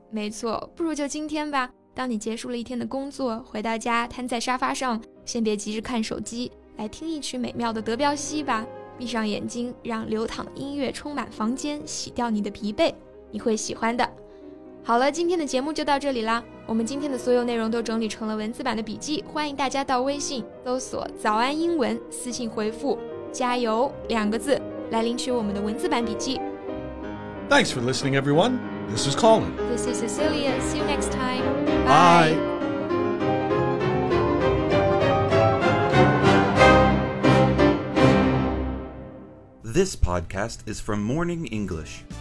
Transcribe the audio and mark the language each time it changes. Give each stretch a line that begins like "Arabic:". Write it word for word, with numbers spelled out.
Chinese: 没错，不如就今天吧。当你结束了一天的工作，回到家，瘫在沙发上，先别急着看手机，来听一曲美妙的德彪西吧。闭上眼睛，让流淌的音乐充满房间，洗掉你的疲惫，你会喜欢的。好了，今天的节目就到这里啦。我们今天的所有内容都整理成了文字版的笔记，欢迎大家到微信搜索“早安英文”，私信回复“加油”两个字来领取我们的文字版笔记。
English: Thanks for listening, everyone. This is Colin. This is Cecilia. See you next time. Bye. Bye. This podcast is from Morning English.